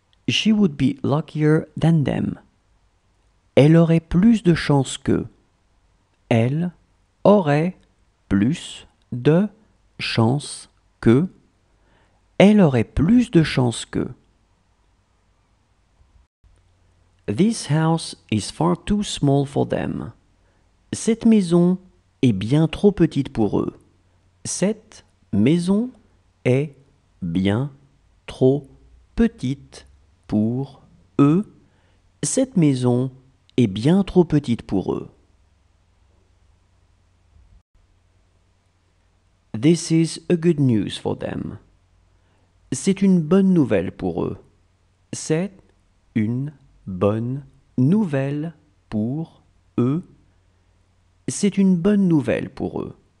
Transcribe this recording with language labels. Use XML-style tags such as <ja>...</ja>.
<en>She would be luckier than them.</en> <fr>Elle aurait plus de chance qu'eux. Elle aurait plus de chance qu'eux. Elle aurait plus de chance qu'eux.</fr> <en>This house is far too small for them.</en> <fr>Cette maison est bien trop petite pour eux. Cette maison est bien trop petite. Pour eux, cette maison est bien trop petite pour eux.</fr> <en>This is a good news for them.</en> <fr>C'est une bonne nouvelle pour eux. C'est une bonne nouvelle pour eux. C'est une bonne nouvelle pour eux.</fr>